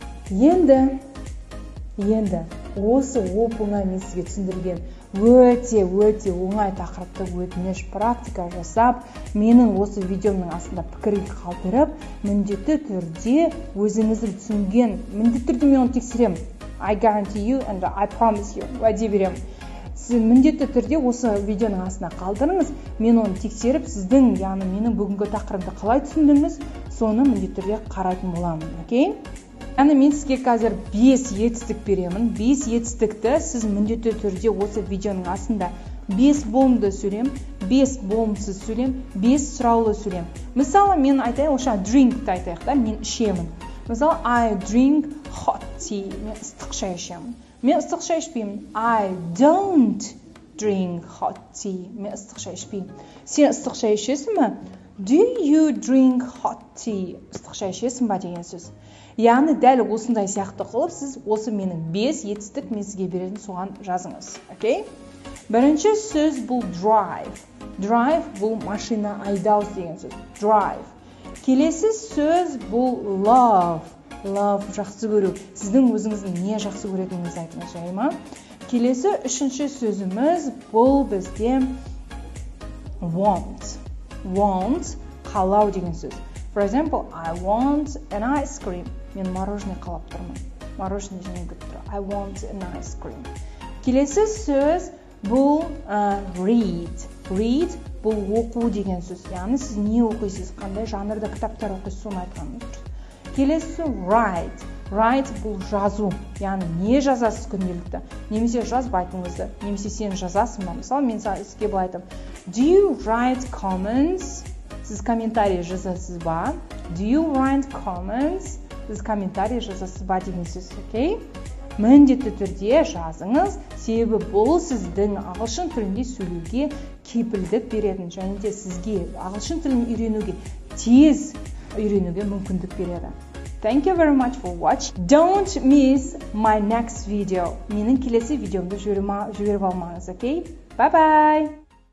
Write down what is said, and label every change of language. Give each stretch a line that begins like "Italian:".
Kazakh: Енді, осы оп-оңай мен сізге түсіндірген өте-өте оңай тақырыпты өтініш практика жасап, менің осы видеомның астында пікірін қалдырып, міндетті түрде өзіңіздің түсінген, міндетті түрде мен оны тексеремін.
English: I guarantee you and I promise you.
Kazakh: Уәде беремін. Сіз міндетті түрде осы видеоның астына қалдырыңыз. Мен оны тексеріп, сіздің, яғни менің бүгінгі тақырыпты қалай түсіндіңіз, соны міндетті түрде қарайтын боламын. Окей? Яғни мен сізге қазір 5 етістік беремін. 5 етістікті сіз міндетті түрде осы видеоның астында 5 болымды сөйлем, 5 болымсыз сөйлем, 5 сұраулы сөйлем. Мысалы, мен айтайын, оша drink-ті айтайық та, мен ішемін. Мысалы,
English: I drink hot tea.
Kazakh: Мен ыстық шай ішемін. Мен ыстық шай ішпеймін.
English: I don't drink hot tea.
Kazakh: Мен ыстық шай ішпеймін. Сен ыстық шай ішесің ба?
English: Do you drink hot tea?
Kazakh: Ыстық шай ішесің ба деген сөз. Яғни дәл осындай сияқты қылып, сіз осы менің 5 етістік мен сізге беретін соған жазыңыз. Окей? Бірінші сөз бұл drive. Drive бұл машина айдау деген сөз.
English: Drive.
Kazakh: Келесі сөз бұл love. Love жақсы көру. Сіздің өзіңіздің не жақсы көретініңізді айтыңыз, жай ма? Келесі үшінші сөзіміз бұл бізде want. Want қалау деген сөз.
English: For example, I want an ice cream.
Kazakh: Мен мороженое қалап тұрмын. мороженое жемей күтіп тұр.
English: I want an ice cream.
Kazakh: Келесі сөз бұл read. Read бұл оқу деген сөз. Яғни сіз не оқисыз, қандай жанрда кітаптар оқисыз, соны айтқаныңыз. Келесі write. Write бұл жазу. Яғни не жазасыз күнделікті. Немесе жазбайтыңызды. Немесе сен жазасың ба? Мысалы, мен саған іске байтым.
English: Do you write comments?
Kazakh: Сіз комментарий жазасыз ба?
English: Do you write comments?
Kazakh: Сіз комментарий жазасыз ба деген сөз, окей? Міндетті түрде жазыңыз, себебі бұл сіздің ағылшын тілінде сөйлеуге кепілдік беретін, және де сізге ағылшын тілін үйренуге, тез үйренуге мүмкіндік береді.
English: Thank you very much for watching. Don't miss my next video.
Kazakh: Менің келесі видеомды жіберіп алмаңыз, окей?
English: Okay? Bye-bye!